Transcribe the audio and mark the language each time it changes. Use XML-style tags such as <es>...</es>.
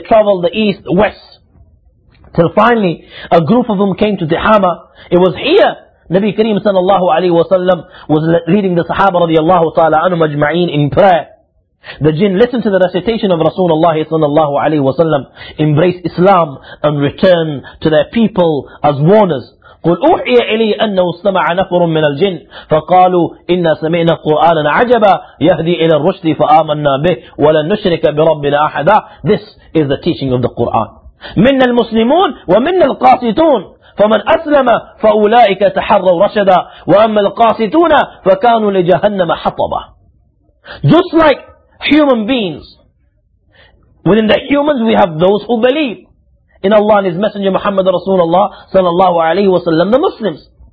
<en>They traveled the east, the west. Till finally, a group of them came to Tihama. It was here Nabi Kareem sallallahu alayhi wa sallam was leading the Sahaba radiallahu ta'ala anhu majma'een in prayer. The jinn listened to the recitation of Rasulullah sallallahu alayhi wa sallam, embraced Islam and returned to their people as warners.</en> <ar>قُلْ أُوحِيَ إِلَيْهِ أَنَّهُ اسْتَمَعَ نَفْرٌ مِّنَ الْجِنِّ فَقَالُوا إِنَّا سَمِعْنَا قُرْآنًا عَجَبًا يَهْدِي إِلَى الرُّشْدِ فَآمَنَّا بِهِ وَلَنْ نُشْرِكَ بِرَبِّنَا أَحَدًا</ar> <en>This is the teaching of the Qur'an.</en> <ar>مِنَّ الْمُسْلِمُونَ وَمِنَّ الْقَاسِطُونَ فَمَنْ أَسْلَمَ فَأُولَٰئِكَ تَحَرَّوْا رَشَدًا وَأَمَّا الْقَاسِتُونَ فَكَانُوا لِجَهَنَّمَ حَطَبًا</ar> <en>Just like human beings, within the humans we have those who believe in Allah and His Messenger Muhammad Rasulullah sallallahu alayhi wa sallam, the Muslims.</en>